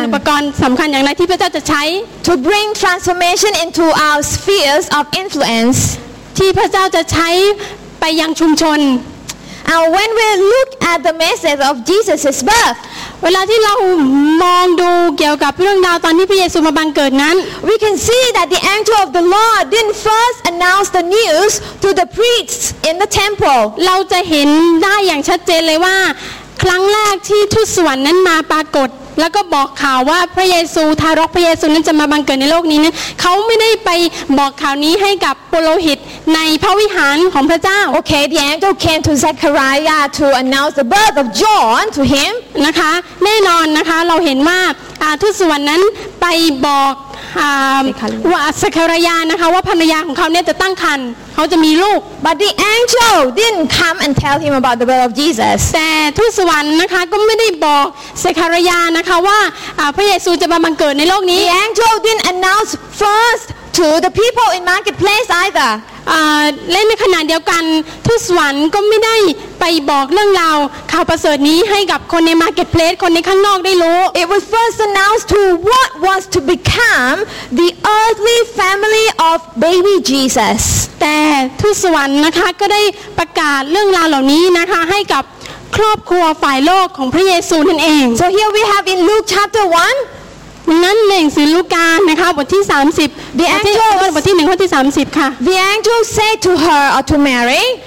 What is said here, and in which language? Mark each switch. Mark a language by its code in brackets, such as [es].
[th] เป็นอุปกรณ์สำคัญอย่างไรที่พระเจ้าจะใช้ [en] to bring transformation into our spheres of influence [th] ที่พระเจ้าจะใช้ไปยังชุมชน [en] and when we look at the message of Jesus's birth [th] เวลาที่เรามองดูเกี่ยวกับเรื่องราวตอนที่พระเยซูมาบังเกิดนั้น [en] we can see that the angel of the Lord didn't first announce the news to the priests in the temple [th] เราจะเห็นได้อย่างชัดเจนเลยว่าครั้งแรกที่ทูตสวรรค์นั้นมาปรากฏ แล้วก็บอกข่าวว่าพระเยซูทารกพระเยซูนั้นจะมาบังเกิดในโลกนี้นั้นเขาไม่ได้ไปบอกข่าวนี้ให้กับปุโรหิตในพระวิหารของพระเจ้า [en] โอเค the angel came to Zechariah to announce the birth of John to him [th] นะคะแน่นอนนะคะเราเห็นว่าทูตสวรรค์นั้นไปบอกว่าสักรยานะคะว่าภรรยาของเขาเนี่ยจะตั้งครรภ์เขาจะมีลูก [en] but the angel didn't come and tell him about the birth of Jesus [th] แต่ทูตสวรรค์นะคะก็ไม่ได้บอกสักรยานะคะว่าพระเยซูจะมาบังเกิดในโลกนี้ [en] the angel didn't announce first to the people in marketplace either [th] และในขณะเดียวกันทูตสวรรค์ก็ไม่ได้ไปบอกเรื่องราวข่าวประเสริฐนี้ให้กับคนใน marketplace คนในข้างนอกได้รู้ [en] It was first announced to what was to become the earthly family of baby Jesus [th] แต่ทูตสวรรค์นะคะก็ได้ประกาศเรื่องราวเหล่านี้นะคะให้กับครอบครัวฝ่ายโลกของพระเยซูนั่นเอง [en] So here we have in Luke chapter 1 [th] นั้นในหนังสือลูกานะคะบทที่30 [en] The angel [th] บทที่1ข้อที่30ค่ะ [en] The angel said to her or to Mary